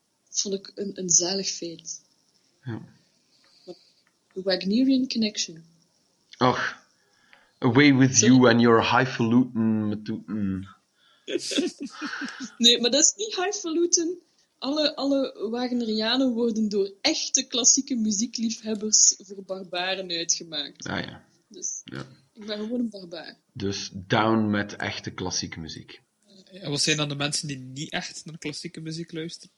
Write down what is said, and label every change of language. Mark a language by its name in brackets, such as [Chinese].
[Dutch] Dat vond ik een zalig feit. Ja. [English] The Wagnerian Connection. Och, away with you and your highfalutin metuten. [Dutch] Nee, maar dat is niet highfalutin. Alle Wagnerianen worden door echte klassieke muziekliefhebbers voor barbaren uitgemaakt. Ah ja. Dus ja. Ik ben gewoon een barbaar. Dus down met echte klassieke muziek. En wat zijn dan de mensen die niet echt naar klassieke muziek luisteren?